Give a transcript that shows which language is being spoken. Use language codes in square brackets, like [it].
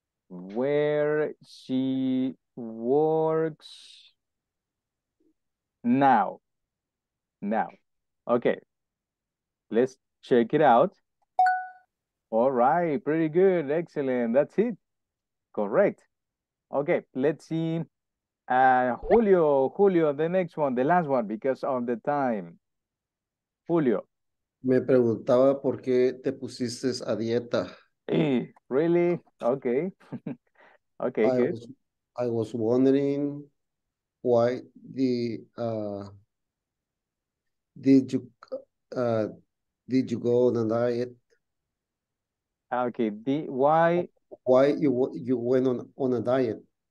[en] Where she works now. Now. Okay. Let's check it out. All right. Pretty good. Excellent. That's it. Correct. Okay. Let's see. Julio, the next one, the last one, because of the time. Julio. [es] Me preguntaba por qué te pusiste a dieta. [en] Really? Okay. Okay, good. I was wondering why did you go on a diet? Okay, why you went on a diet?